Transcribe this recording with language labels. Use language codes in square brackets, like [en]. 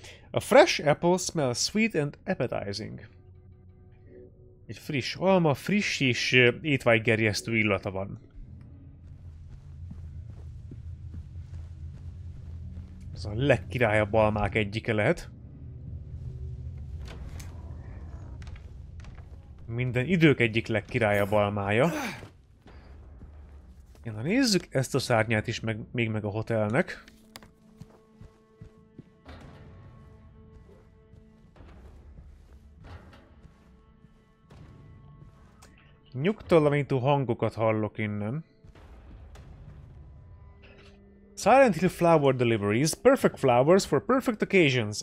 [en] A fresh apple smells sweet and appetizing. [hu] Egy friss alma, friss és étvágygerjesztő illata van. Ez a legkirályabb almák egyike lehet. Minden idők egyik legkirályabb almája. Ja, na nézzük ezt a szárnyát is meg, még meg a hotelnek. Nyugtalanító hangokat hallok innen. [en] Silent Hill Flower Deliveries. Perfect flowers for perfect occasions.